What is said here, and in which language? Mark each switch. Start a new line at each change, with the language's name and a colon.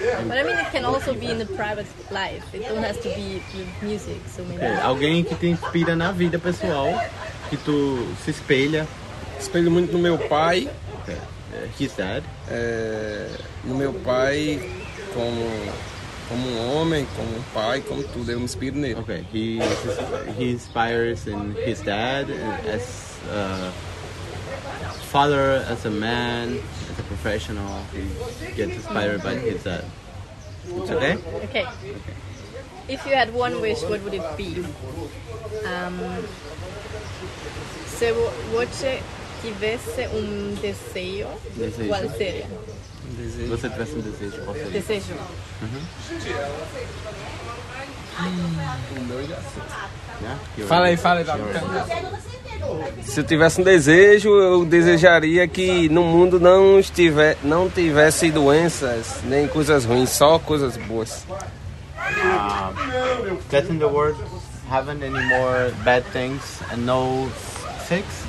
English: But I mean, it can also be in the private life. It don't have to be with music. So maybe. Okay.
Portuguese: Alguém que te inspira na vida pessoal, que tu se espelha. Espelho muito no meu pai.
English: Okay. His dad.
Portuguese: No meu pai, como um homem, como um pai, como tudo, eu me inspiro nele.
English: Okay, he inspires in his dad as a father, as a man, as a professional. He gets inspired by his dad. It's okay? Okay. If you had one wish, what would it be?
Portuguese: Se você tivesse desejo, qual seria? Desejo. Você tivesse desejo, qual seria? Desejo. Fala aí, sure. Se eu tivesse um desejo, eu desejaria que no mundo não tivesse doenças, nem coisas ruins, só coisas boas.
English: That in the world haven't any more bad things and no sick